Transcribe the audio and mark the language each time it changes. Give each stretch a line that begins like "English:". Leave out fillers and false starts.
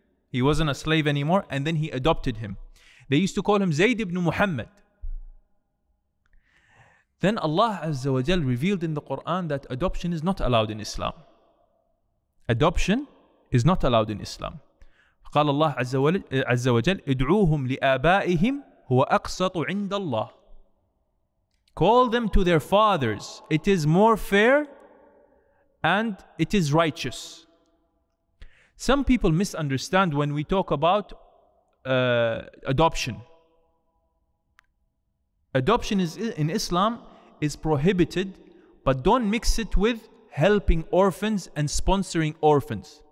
English: He wasn't a slave anymore. And then he adopted him. They used to call him Zayd ibn Muhammad. Then Allah Azza wa Jal revealed in the Quran that adoption is not allowed in Islam. Adoption is not allowed in Islam.
Arabic: قال الله عز وجل ادعوهم لآبائهم هو أقسط عند الله.
English: Call them to their fathers. It is more fair and it is righteous. Some people misunderstand when we talk about adoption. Adoption is in Islam is prohibited, but don't mix it with helping orphans and sponsoring orphans.